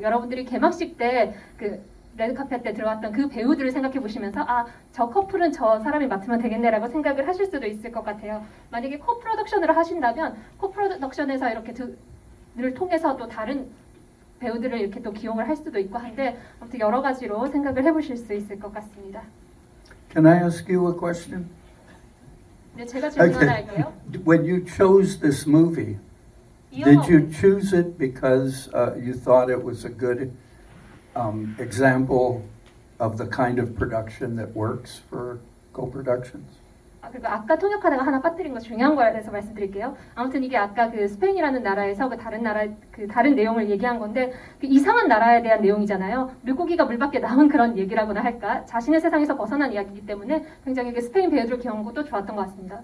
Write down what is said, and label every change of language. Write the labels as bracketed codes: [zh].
[ko] 여러분들이 개막식 때 그 레드카펫 때 들어왔던 그 배우들을 생각해 보시면서 아, 저 커플은 저 사람이 맡으면 되겠네라고 생각을 하실 수도 있을 것 같아요. 만약에 코프로덕션으로 하신다면 코프로덕션에서 이렇게 를 통해서 또 다른 배우들을 이렇게 또 기용을 할 수도 있고 한데 아무튼 여러 가지로 생각을 해 보실 수 있을 것 같습니다. [en] Can I ask you a question? [ko] 네, 제가 질문 okay. 할게요. [en] When you chose this movie, did you choose it because you thought it was a good example of the kind of production that works for co-productions. [ko] 아, 그리고 아까 통역하다가 하나 빠뜨린 거 중요한 거에 대해서 말씀드릴게요. 아무튼 이게 아까 그 스페인이라는 나라에서 그 다른 나라 그 다른 내용을 얘기한 건데 그 이상한 나라에 대한 내용이잖아요. 물고기가 물밖에 나온 그런 얘기라고나 할까? 자신의 세상에서 벗어난 이야기이기 때문에 굉장히 그 스페인 배우들 경험 것도 좋았던 것 같습니다.